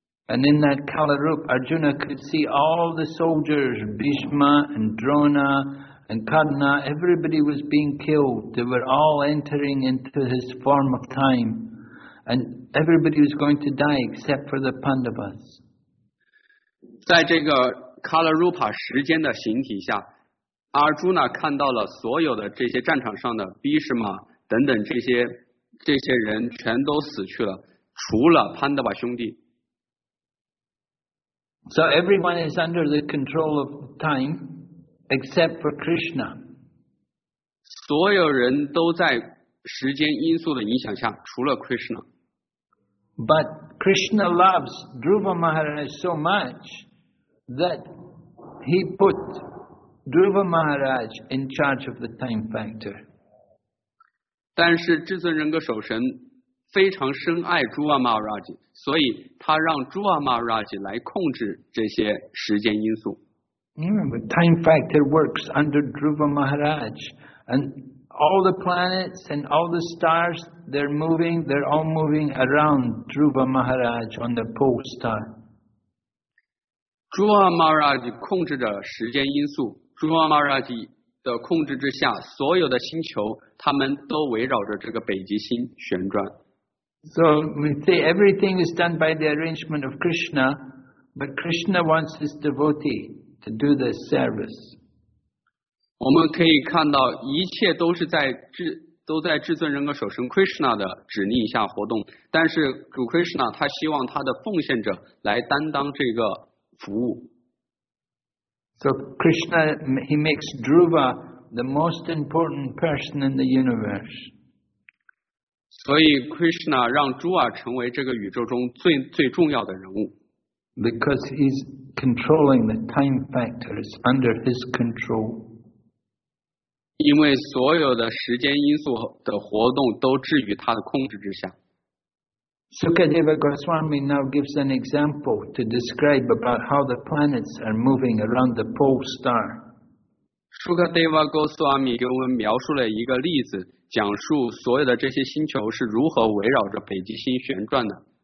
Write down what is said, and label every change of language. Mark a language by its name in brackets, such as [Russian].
[English] And in that Kala Rup, Arjuna could see all the soldiers, Bhishma and Drona and Karna, everybody was being killed. They were all entering into his form of time. And everybody was going to die except for the Pandavas. [Chinese] 在这个 Kala Rupa 时间的形体下，阿朱娜看到了所有的这些战场上的 Bhishma 等等这些人全都死去了，除了潘德瓦兄弟。 [English] So everyone is under the control of time except for Krishna. [Chinese] 所有人都在时间因素的影响下，除了 Krishna。 [English] But Krishna loves Dhruva Maharaj so much that he put Dhruva Maharaj in charge of the time factor. [Chinese] 但是至尊人格守神非常深爱朱瓦马拉吉，所以他让朱瓦马拉吉来控制这些时间因素。 [English] But time factor works under Dhruva Maharaj, and all the planets and all the stars, they're moving, they're all moving around Dhruva Maharaj on the pole star. [Chinese] 朱瓦马拉吉控制着时间因素，朱瓦马拉吉的控制之下，所有的星球他们都围绕着这个北极星旋转。 [English] So we say everything is done by the arrangement of Krishna, but Krishna wants his devotee to do this service. [Chinese] 我们可以看到一切都是都在至尊人格守神 Krishna 的指令下活动，但是主 Krishna 他希望他的奉献者来担当这个服务。 [English] So Krishna, he makes Dhruva the most important person in the universe. [Chinese] 所以 Krishna 让 Dhruva 成为这个宇宙中最最重要的人物。 [English] Because he's controlling the time factors under his control. [Chinese] 因为所有的时间因素的活动都置于他的控制之下。 [English] Sukadeva Goswami now gives an example to describe about how the planets are moving around the pole star. [Chinese] Sukadeva Goswami 给我们描述了一个例子，讲述所有的这些星球是如何围绕着北极星旋转的。